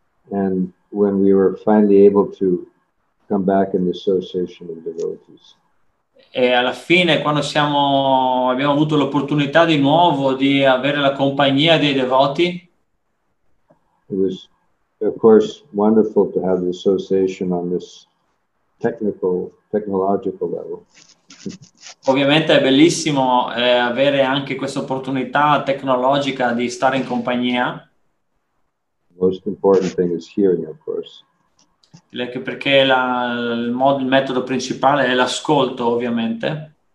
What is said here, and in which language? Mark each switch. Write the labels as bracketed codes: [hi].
[en] And when we were finally able to come back in the association of devotees. [it] E alla fine, quando abbiamo avuto l'opportunità di nuovo di avere la compagnia dei devoti. [en] It was, of course, wonderful to have the association on this technological level. [it] Ovviamente è bellissimo avere anche questa opportunità tecnologica di stare in compagnia. [en] Most important thing is hearing, of course. [it] Perché il metodo principale è l'ascolto, ovviamente.